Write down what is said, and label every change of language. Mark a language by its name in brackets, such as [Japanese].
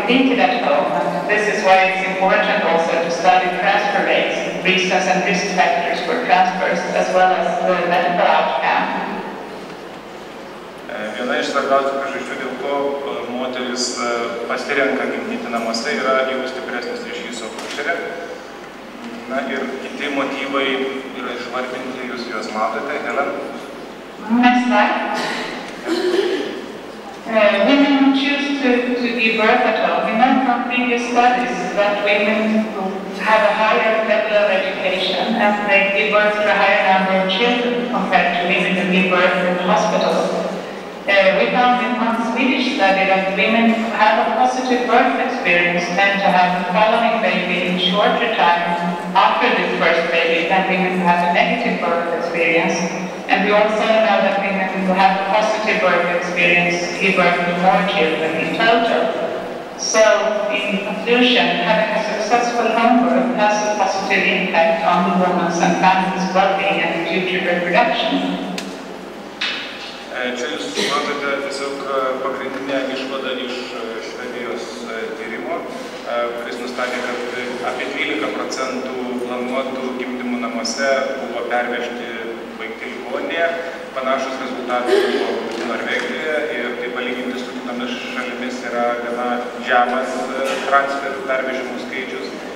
[English] important also to study transfer rates, reasons and risk factors for transfers, as well as the medical outcome. [Lithuanian] Viena iš svarbiausių priežasčių, dėl ko moteris pasirenka gimdyti namuose, yra jau stipresnis ryšys su akušere. Na ir kiti motyvai yra išvardinti, jūs juos matote, Helen. [English] Next slide. Women choose to give birth at all. Women from previous studies that women have a higher level of education and they give birth to a higher number of children compared to women who give birth in hospitals. We found in one Swedish study that women who have a positive birth experience tend to have the following baby in shorter time after this first baby than women who have a negative birth experience. And we also know that women who have a positive birth experience give birth to more children in total. So, in conclusion, having a successful home birth has a positive impact on the woman's and family's well-being and future reproduction. [Lithuanian] Čia jūs matote tiesiog pagrindinę išvadą iš Švedijos tyrimo, kuris nustatė, kad apie 12% planuotų gimdymų namuose buvo pervežti vaikai ligoninėje. Panašus rezultatai buvo Norvegijoje ir tai palyginti su kitomis šalimis yra gana žemas transfer pervežimų skaičius.